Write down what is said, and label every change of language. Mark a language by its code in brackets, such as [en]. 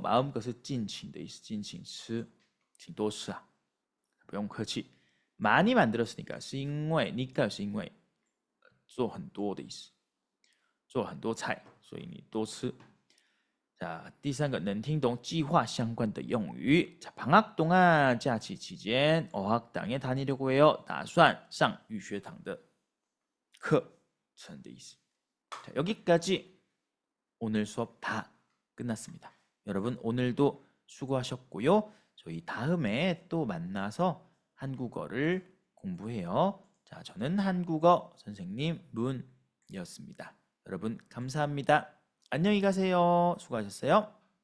[zh] 마음껏은 尽情的意思, 尽情 吃, 请多吃啊, 不用客气. [ko] 많이 만들었으니까, [zh] 是因为, 니까 是因为, 做很多的意思, 做很多菜, 所以你多吃. 자, 第三个, 能听懂计划相关的用语. [ko] 자, 방학 동안, [zh] 假期 期间, [ko] 어학당에 다니려고 해요. [zh] 打算上语学堂的课程的意思. [ko] 자, 여기까지. 오늘 수업 다 끝났습니다. 여러분, 오늘도 수고하셨고요. 저희 다음에 또 만나서 한국어를 공부해요. 자, 저는 한국어 선생님 문이었습니다. 여러분, 감사합니다. 안녕히 가세요. 수고하셨어요.